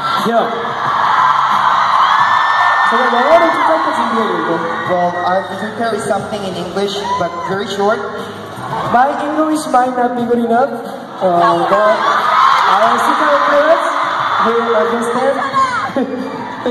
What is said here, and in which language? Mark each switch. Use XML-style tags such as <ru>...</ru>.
<en>Yeah.</en> <ko>제가 영어로 좀 짧게 준비해드리고.</ko> <en>Well, I've prepared something in English, but very short. My English might not be good enough, but our super parents will understand.</en>